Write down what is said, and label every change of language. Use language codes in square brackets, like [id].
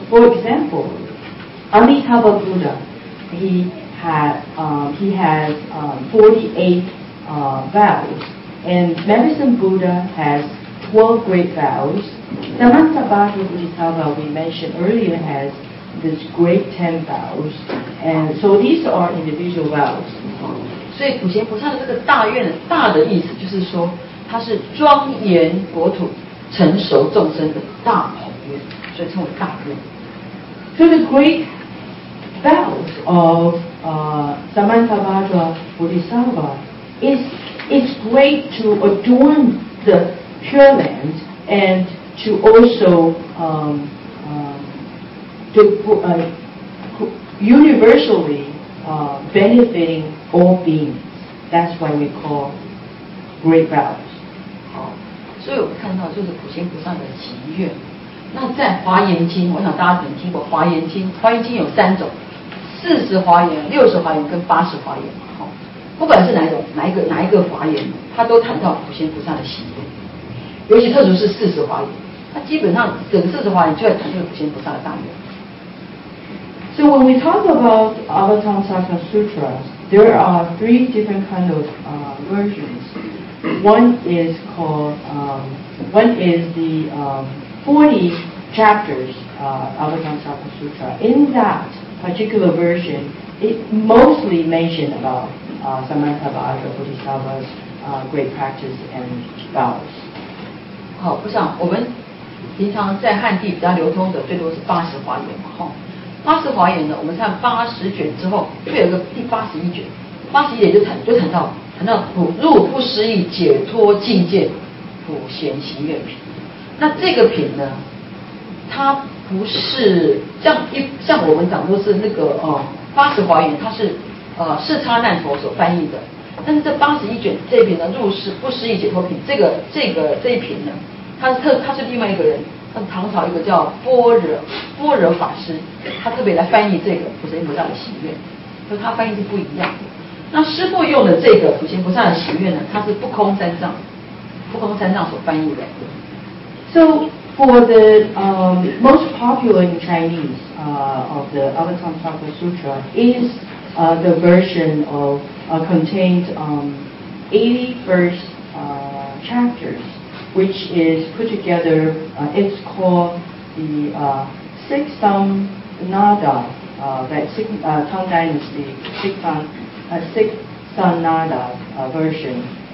[en] For example, Amitabha Buddha, he has 48 vows, and Medicine Buddha has 12 great vows. Samantabhadra Bodhisattva, we mentioned earlier, has this great 10 vows, and so these are individual vows. [zh] 所以普贤菩萨的这个大愿，大的意思就是说，它是庄严国土成熟众生的大宏愿，所以称为大愿。 [en] So the great vows of Samantabhadra Bodhisattva is great to adorn the Pure Land and to also universally benefiting all beings. That's why we call great vows. [zh] 好，所以我们看到就是普贤菩萨的祈愿。那在华严经，我想大家可能听过华严经，华严经有三种，四十华严、六十华严跟八十华严嘛。好，不管是哪一种、哪一个华严，它都谈到普贤菩萨的祈愿。尤其特殊是四十华严，它基本上整个四十华严就在谈这个普贤菩萨的大愿。 [en] So when we talk about Avatamsaka Sutras, there are three different kinds of versions. One is called, one is the 40 chapters Avatamsaka Sutra. In that particular version, it mostly mentioned about Samantabhadra Bodhisattva's great practice and vows. [zh] 好，我想我们平常在汉地比较流通的最多是八十华严嘛，哈。八十华严呢，我们看八十卷之后，又有个第八十一卷，八十一卷就谈到普入不思议解脱境界普贤行愿品。那这个品呢，它不是像我们讲都是那个八十华严，它是释迦难陀所翻译的，但是这八十一卷这一品呢，入是不思议解脱品，这一品呢，它是另外一个人。唐朝一个叫般若法师，他特别来翻译这个普贤菩萨的喜悦，所以他翻译是不一样的。那师父用的这个普贤菩萨的喜悦呢，他是不空三藏所翻译的。 [en] So for the most popular in Chinese of the Avatamsaka Sutra is the version of contained 80 verse chapters. Which is put together, it's called the Sixtham Nada, Tang Dynasty, Sixtham Nada version.